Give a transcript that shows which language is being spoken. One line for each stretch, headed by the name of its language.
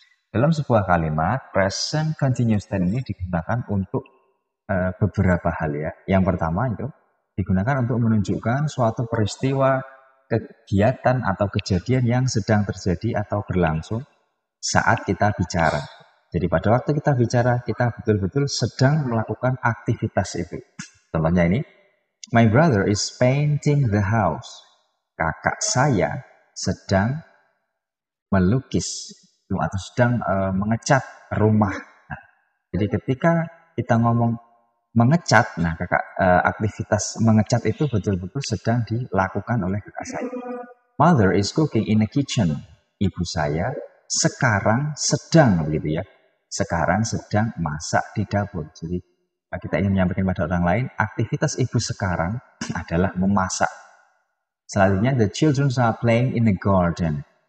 Indonesian: Dalam sebuah kalimat, present continuous tense ini digunakan untuk beberapa hal ya. Yang pertama itu digunakan untuk menunjukkan suatu peristiwa, kegiatan atau kejadian yang sedang terjadi atau berlangsung saat kita bicara. Jadi pada waktu kita bicara, kita betul-betul sedang melakukan aktivitas itu. Contohnya ini,
English: my brother is painting the house.
Indonesian: Kakak saya sedang melukis atau sedang mengecat rumah. Nah, jadi ketika kita ngomong mengecat, nah kakak aktivitas mengecat itu betul-betul sedang dilakukan oleh kakak saya.
English: Mother is cooking in the kitchen.
Indonesian: Ibu saya sekarang sedang begitu ya. Sekarang sedang masak di dapur. Jadi kita ingin menyampaikan pada orang lain, aktivitas ibu sekarang adalah memasak. Selanjutnya,
English: the children are playing in the garden.